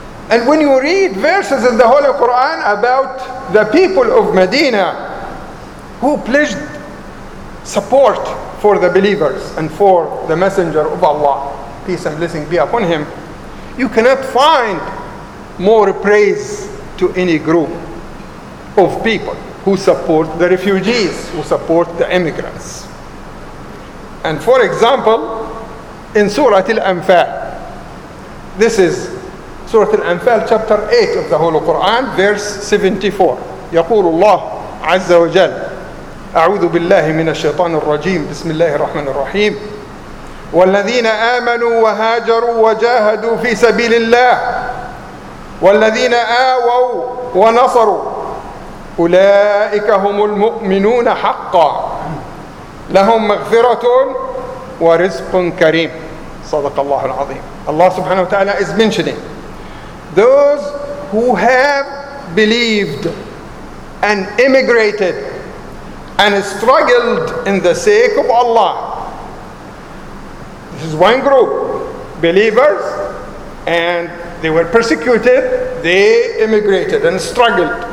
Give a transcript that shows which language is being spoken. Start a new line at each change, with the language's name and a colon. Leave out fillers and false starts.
English: And when you read verses in the Holy Quran about the people of Medina who pledged support for the believers and for the Messenger of Allah, peace and blessing be upon him, you cannot find more praise to any group of people who support the refugees, who support the immigrants. And for example, in Surah Al-Anfal, this is
Arabic: سورة الأنفال
English: chapter 8 of the Holy Quran verse 74
Arabic: يقول الله عز وجل أعوذ بالله من الشيطان الرجيم بسم الله الرحمن الرحيم والذين آمنوا وهاجروا وجاهدوا في سبيل الله والذين آووا ونصروا أولئك هم المؤمنون حقا لهم مغفرة ورزق كريم صدق الله العظيم. الله سبحانه وتعالى
English: is mentioning those who have believed and immigrated and struggled in the sake of Allah. This is one group, believers, and they were persecuted, they immigrated and struggled.